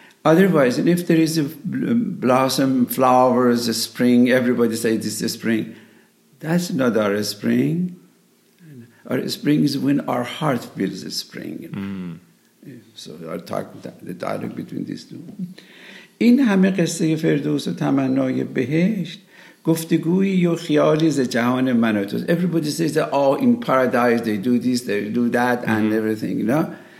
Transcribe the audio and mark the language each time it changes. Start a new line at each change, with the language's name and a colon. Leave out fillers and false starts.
English: Otherwise, if there is a blossom, flowers, a spring, everybody says it's a spring. That's not our spring. Our spring is when our heart feels a spring. So I'll talk the dialogue between these two.
Persian: این همه قصه فردوس و تمنای بهشت گفتگوی و خیالی ز جهان من و توست.
English: Everybody says that, oh, in paradise they do this, they do that, and everything, you know.